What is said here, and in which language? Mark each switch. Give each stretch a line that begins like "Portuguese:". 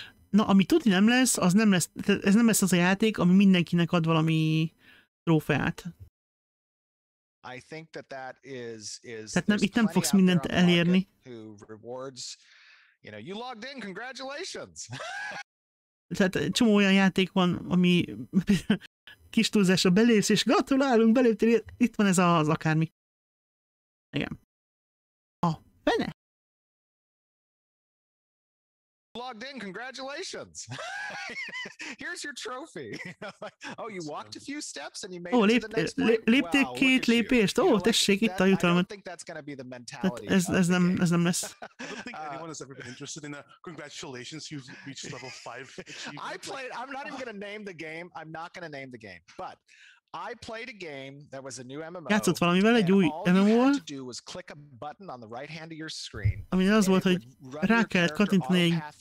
Hungarian: Na, ami tudni nem lesz, az nem lesz, ez nem lesz az a játék, ami mindenkinek ad valami trófeát.
English: I think that that is
Hungarian: tehát nem, itt nem fogsz mindent elérni.
English: You know, you logged in, congratulations.
Hungarian: Tehát csomó olyan játék van, ami kis túlzásra belépsz, és gratulálunk, beléptél, itt van ez az akármi. Igen. A fene.
English: Logged in, congratulations. Here's your trophy. Oh, you walked a few steps and you made it to the next point.
Hungarian: Léptél két lépést. Ó, tessék, itt a jutalmat.
English: I don't think that's going to be the mentality.
Hungarian: Ez nem lesz.
English: I don't think anyone has ever been interested in a congratulations, you've reached level 5. I played, I'm not even going to name the game. I'm not going to name the game. But I played a game that was a new MMO.
Hungarian: Játszott valamivel egy új MMO-val.
English: All you had to do was click a button on the right hand of your screen.
Hungarian: Ami az volt, hogy rá kellett kattintani egy...